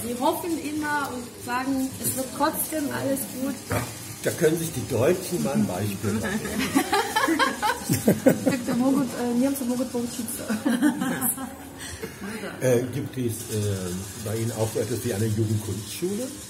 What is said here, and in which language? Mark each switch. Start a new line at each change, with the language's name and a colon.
German: Sie hoffen immer und sagen, es wird trotzdem alles gut. Da können sich die Deutschen mal ein Beispiel machen.
Russian: Da могут, немцы могут поучиться.
German: Gibt es bei Ihnen auch so etwas wie eine Jugendkunstschule?